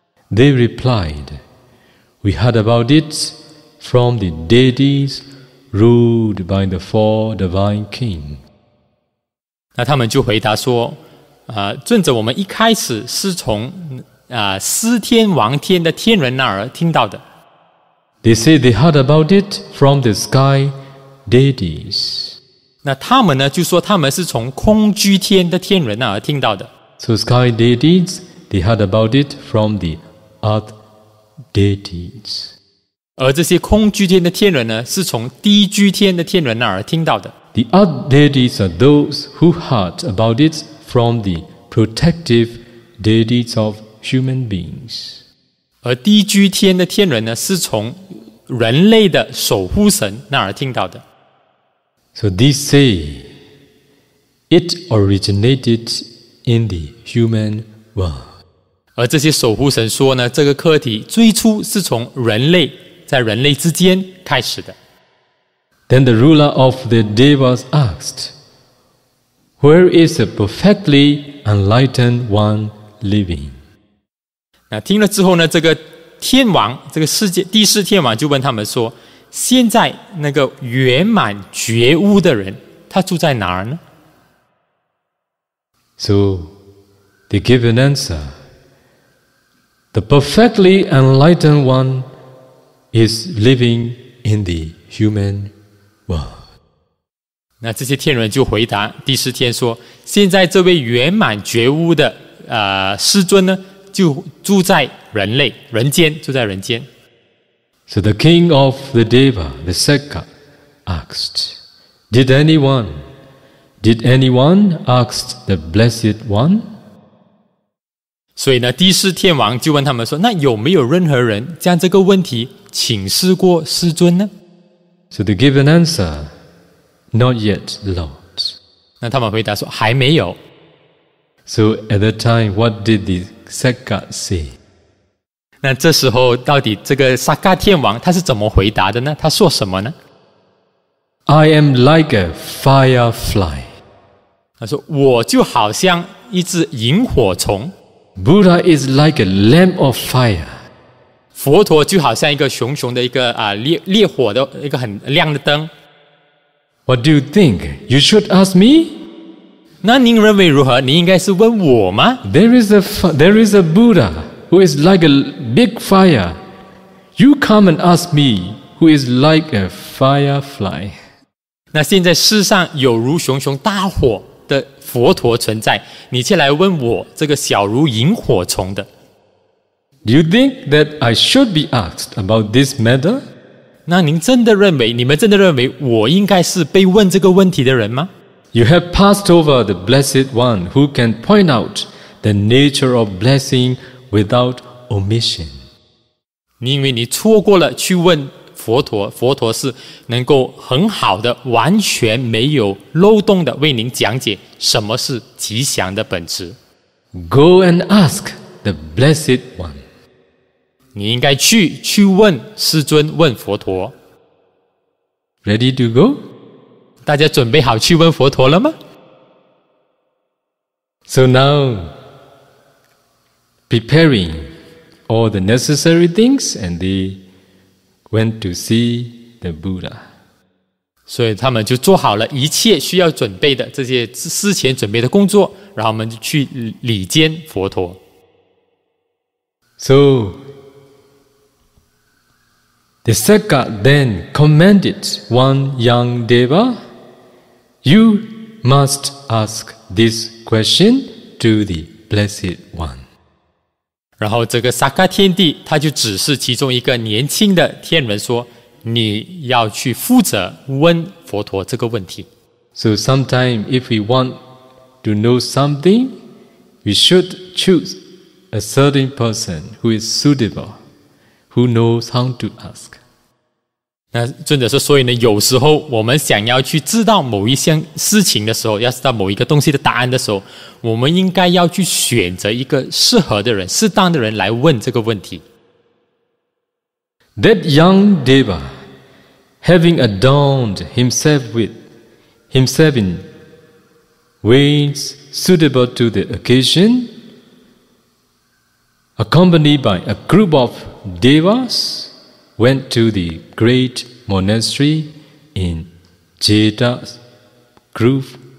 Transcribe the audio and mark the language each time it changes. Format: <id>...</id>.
<en>They replied,We heard about it from the deities ruled by the four divine kings.</en> <zh>那他们就回答说，尊者，我们一开始是从司天王天的天人那儿听到的。</zh> <en>They said they heard about it from the sky deities.</en> <zh>那他们呢，就说他们是从空居天的天人那儿听到的。</zh> <en>So sky deities, they heard about it from the earth. Deities.</en> <zh>而这些空居天的天人呢，是从低居天的天人那儿听到的。</zh> <en>The other deities are those who heard about it from the protective deities of human beings.</en> <zh>而低居天的天人呢，是从人类的守护神那儿听到的。</zh> <en>So they say it originated in the human world.</en> <zh>而这些守护神说呢，这个课题最初是从人类在人类之间开始的。</zh> <en>Then the ruler of the devas asked, "Where is a perfectly enlightened one living?"</en> <zh>那听了之后呢，这个天王，这个世界第四天王就问他们说，现在那个圆满觉悟的人，他住在哪儿呢</zh> <en>？So they give an answer. The perfectly enlightened one is living in the human world.</en> <zh>那这些天人就回答第四天说，现在这位圆满觉悟的师尊呢，就住在人类，人间，住在人间。</zh> <en>So the king of the deva, the Sekka, asked, did anyone ask the blessed one?</en> <zh>所以呢，第四天王就问他们说，那有没有任何人将这个问题请示过师尊呢？</zh> <en>So they give an answer. Not yet, Lord.</en> <zh>那他们回答说还没有。</zh> <en>So at that time, what did the Sakkat say?</en> <zh>那这时候到底这个萨迦天王他是怎么回答的呢？他说什么呢？</zh> <en>I am like a firefly.</en> <zh>他说我就好像一只萤火虫。</zh> <en>Buddha is like a lamp of fire.</en> <zh>佛陀就好像一个熊熊的一个、烈火的一个很亮的灯。</zh> <en>What do you think? You should ask me?</en> <zh>那您认为如何？您应该是问我吗？</zh> <en>There is a Buddha who is like a big fire. You come and ask me who is like a firefly.</en> <zh>那现在世上有如熊熊大火的佛陀存在，你却来问我这个小如萤火虫的。</zh> <en>Do you think that I should be asked about this matter?</en> <zh>那您真的认为，你们真的认为我应该是被问这个问题的人吗？</zh> <en>You have passed over the blessed one who can point out the nature of blessing without omission.</en> <zh>你因为你错过了去问佛陀，佛陀是能够很好的、完全没有漏洞的为您讲解什么是吉祥的本质。</zh> <en>Go and ask the blessed one.</en> <zh>你应该去问师尊，问佛陀。</zh> <en>Ready to go?</en> <zh>大家准备好去问佛陀了吗？</zh> <en>So now, preparing all the necessary things and theWent to see the Buddha.</en> <zh>所以他们就做好了一切需要准备的这些事前准备的工作，然后我们就去礼见佛陀。</zh> <en>So the Sakka then commanded one young deva, "You must ask this question to the Blessed One."</en> <zh>然后这个萨迦天帝他就指示其中一个年轻的天人说，你要去负责问佛陀这个问题。</zh> <en>So sometimes if we want to know something, we should choose a certain person who is suitable, who knows how to ask.</en> <zh>那尊者说，所以呢，有时候我们想要去知道某一项事情的时候，要知道某一个东西的答案的时候，我们应该要去选择一个适合的人、适当的人来问这个问题。</zh> <en>That young deva, having adorned himself with himself in ways suitable to the occasion, accompanied by a group of devas, went to the great monastery in Jeta's Grove.</en>